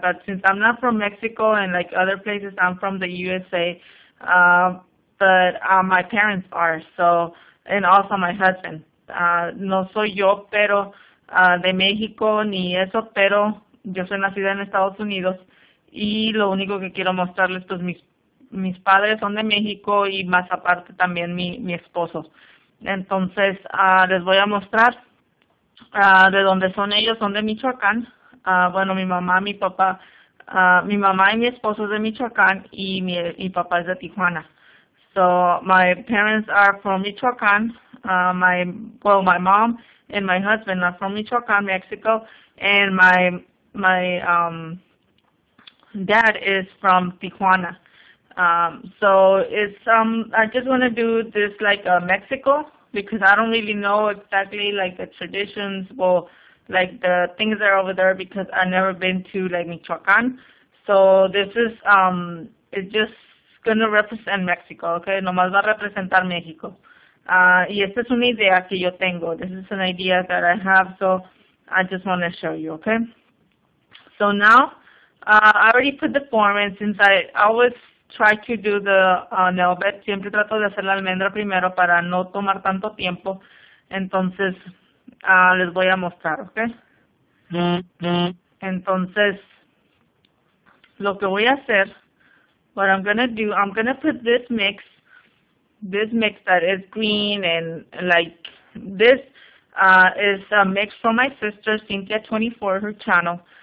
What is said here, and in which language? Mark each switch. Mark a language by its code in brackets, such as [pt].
[en] But since I'm not from Mexico and like other places, I'm from the USA. But my parents are, so, and also my husband. [es] No soy yo, pero de México ni eso, pero yo soy nacida en Estados Unidos. Y lo único que quiero mostrarles, pues mis padres son de México y más aparte también mi esposo. Entonces, les voy a mostrar de dónde son ellos. Son de Michoacán. Bueno, mi mamá, mi papá, mi mamá y mi esposo es de Michoacán y mi papá es de Tijuana. [en] So, my parents are from Michoacán. My mom and my husband are from Michoacán, Mexico. And my dad is from Tijuana. I just want to do this like Mexico because I don't really know exactly like the traditions, well, like the things that are over there because I've never been to like Michoacán. So this is it's just gonna represent Mexico, okay? [es] Nomás va a representar Mexico. Y esta es una idea que yo tengo. This is an idea that I have, so I just want to show you, okay? [en] So now I already put the form in since I always try to do the nail bed. [es] Siempre trato de hacer la almendra primero para no tomar tanto tiempo. Entonces, les voy a mostrar, ¿ok? Entonces, lo que voy a hacer, [en] what I'm gonna put this mix that is green and like this is a mix from my sister, Cynthia 24, her channel.